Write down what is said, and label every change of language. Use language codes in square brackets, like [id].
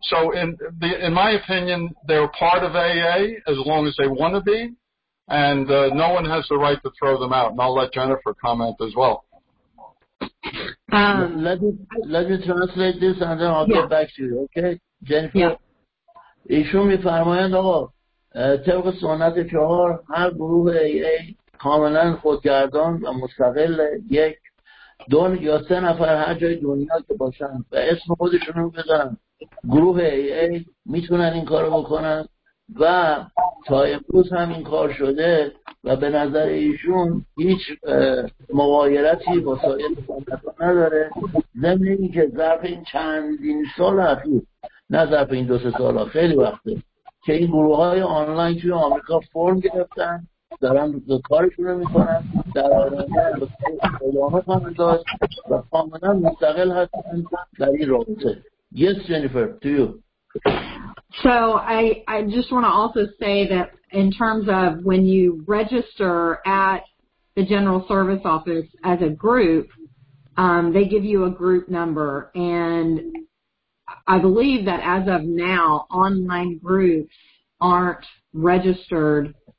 [en] So in my opinion, they're part of AA as long as they want to be, and no one has the right to throw them out. And I'll let Jennifer comment as well. Let me translate this and then I'll get back to you, okay? Jennifer? Yeah. [fa] ایشون می فرمایند آقا طبق سنت چهار هر گروه AA کاملا خودگردان و مستقل، یک دو یا سه نفر هر جای دنیا که باشن و اسم خودشون رو بذارن گروه AA میتونن این کارو بکنن و تا امروز هم این کار شده و به نظر ایشون هیچ مغایرتی با سایر سنت‌ها نداره، ضمن اینکه ظرف این چندین سال اخیر، نه ظرف این دو سه سال ها، خیلی وقته که این گروه های آنلاین توی آمریکا فرم گرفتن، دارن کارشون رو میکنن، در آنلاین به ادامه داشت و کاملا مستقل هستن در این رابطه. [en] Yes, Jennifer, to you. So I just want to also say that in terms of when you register at the General Service Office as a group, they give you a group number, and I believe that as of now, online groups aren't registered